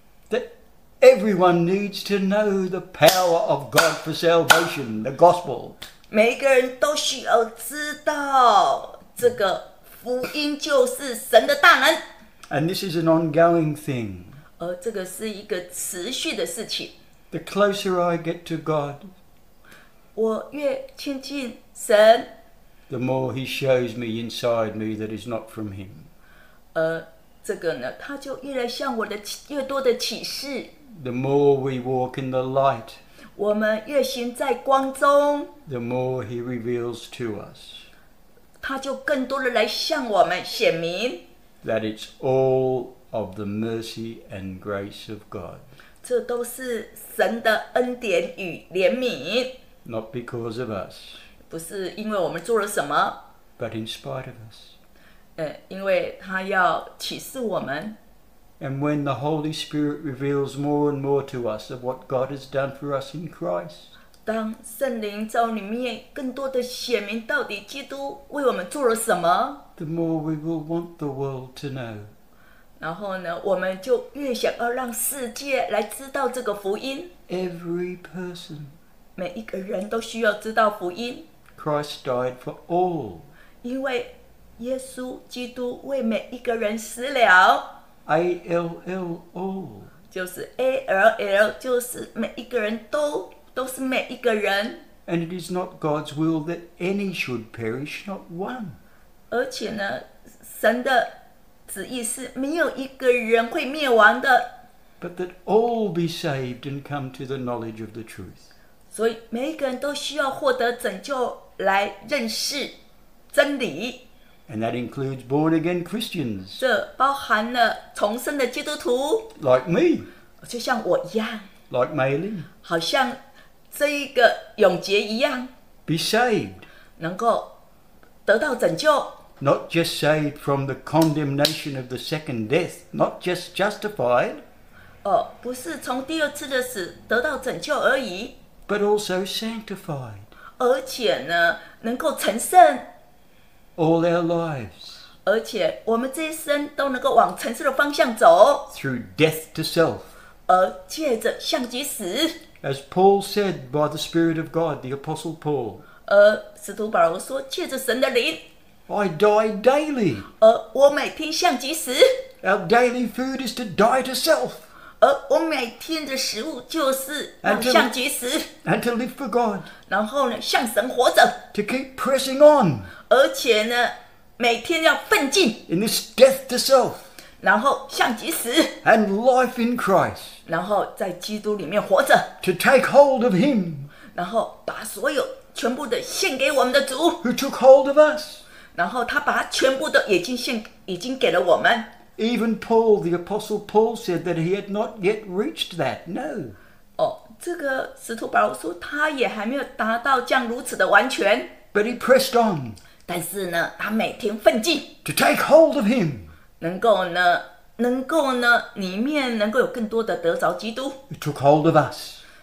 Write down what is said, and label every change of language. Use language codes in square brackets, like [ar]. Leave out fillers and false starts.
[en] That everyone needs to know the power of God for salvation, the gospel. [zh] 每一个人都需要知道这个。福音就是神的大能。 [en] And this is an ongoing thing. [zh] 这个是一个持续的事情。 [en] The closer I get to God, [zh] 我越亲近神 [en] the more He shows me inside me that is not from Him. [zh] 这个呢，他就越来向我的越多的启示。 [en] The more we walk in the light, [zh] 我们越行在光中 [en] the more He reveals to us. [zh] 他就更多的来向我们显明 [en] that it's all of the mercy and grace of God. [zh] 这都是神的恩典与怜悯。 [en] Not because of us. [zh] 不是因为我们做了什么。 [en] But in spite of us. [zh] 因为他要启示我们。 [en] And when the Holy Spirit reveals more and more to us of what God has done for us in Christ. [zh] 当圣灵在里面更多的显明到底基督为我们做了什么。 [en] The more we will want the world to know. [zh] 然后呢，我们就越想要让世界来知道这个福音。 [en] Every person. [zh] 每一个人都需要知道福音。 [en] Christ died for all. [zh] 因为耶稣基督为每一个人死了。 [en] A-L-L-O [zh] 就是 A-L-L 就是每一个人都是每一个人 [en] And it is not God's will that any should perish, not one [zh] 而且呢神的旨意是没有一个人会灭亡的 [en] But that all be saved and come to the knowledge of the truth [zh] 所以每一个人都需要获得拯救来认识真理 [en] And that includes born-again Christians. [zh] 这包含了重生的基督徒。 [en] Like me. [zh] 就像我一样。 [en] Like Maylin. [zh] 好像这一个永杰一样。 [en] Be saved. [zh] 能够得到拯救。 [en] Not just saved from the condemnation of the second death. Not just justified. [zh] 不是从第二次的死得到拯救而已。 [en] But also sanctified. [zh] 而且呢，能够成圣。 [en] All our lives. [zh] 而且我们这一生都能够往成圣的方向走。 [en] Through death to self. [zh] 而借着向己死。 [en] As Paul said by the Spirit of God, the Apostle Paul. [zh] 而使徒保罗说，借着神的灵。 [en] I die daily. [zh] 而我每天向己死。 [en] Our daily food is to die to self. [zh] 而我每天的食物就是往向己死。 [en] And to live for God. [zh] 然后呢，向神活着。 [en] To keep pressing on. [zh] 而且呢，每天要奋进。 [en] In this death to self. [zh] 然后向己死。 [en] And life in Christ. [zh] 然后在基督里面活着。 [en] To take hold of Him. [zh] 然后把所有全部的献给我们的主。 [en] Who took hold of us. [zh] 然后他把全部的已经给了我们。 [en] Even Paul, the Apostle Paul said that he had not yet reached that. No. [zh] 这个使徒保罗说他也还没有达到这样如此的完全。 [en] But he pressed on. [zh] 但是呢，他每天奋进。 [en] To take hold of him. [zh] 能够呢，里面能够有更多的得着基督。 [en] He took hold of us.